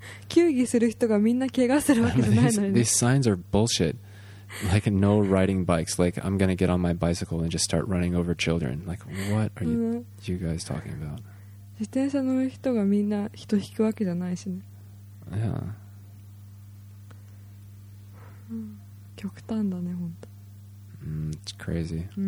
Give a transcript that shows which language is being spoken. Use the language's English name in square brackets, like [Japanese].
[Japanese] 球技する人がみんな怪我するわけじゃないのに。 [English] These signs are bullshit. Like no riding bikes. Like I'm gonna get on my bicycle and just start running over children. Like what are you guys talking about? [Japanese] 自転車の人がみんな人引くわけじゃないしね。 [English] Yeah. [Japanese] 極端だね、本当。 [English] It's crazy.